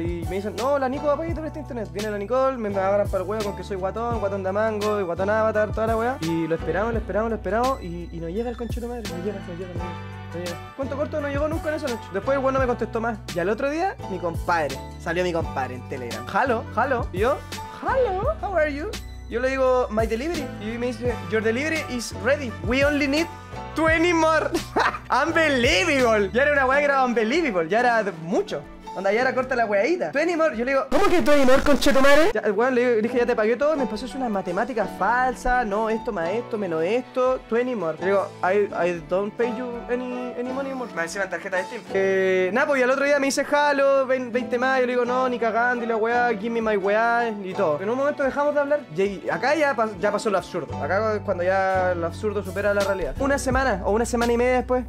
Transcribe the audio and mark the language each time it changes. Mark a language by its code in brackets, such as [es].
[es] Y me dicen, no, la Nico va a pedir este internet. Viene la Nicole, me agarran para el huevo con que soy guatón de mango y guatón avatar, toda la wea. Y lo esperamos y no llega el conchito madre. No llega. ¿Cuánto corto? No llegó nunca en esa noche. Después el huevo no me contestó más. Y al otro día, salió mi compadre en Telegram. [en] Halo. [es] Y yo, [en] hello, how are you? [es] Yo le digo, [en] my delivery. [es] Y me dice, [en] your delivery is ready. We only need 20 more. Unbelievable. [es] Ya era una weá que era unbelievable. Ya era mucho. Onda, ya era corta la weáita. [en] 20 more. [es] Yo le digo, ¿cómo que 20 more, conche tu madre? Ya, weón, le dije, ya te pagué todo. Me pasó una matemática falsa. No, esto más esto, menos esto. [en] 20 more. [es] Yo le digo, [en] I don't pay you any money more. [es] Me decían tarjeta de Steam. Nada, pues y al otro día me dice, jalo, 20 más. Yo le digo, no, ni cagando. Y la weá, [en] give me my [es] weá. Y todo. En un momento dejamos de hablar. Y acá ya pasó lo absurdo. Acá es cuando ya lo absurdo supera la realidad. Una semana o una semana y media después.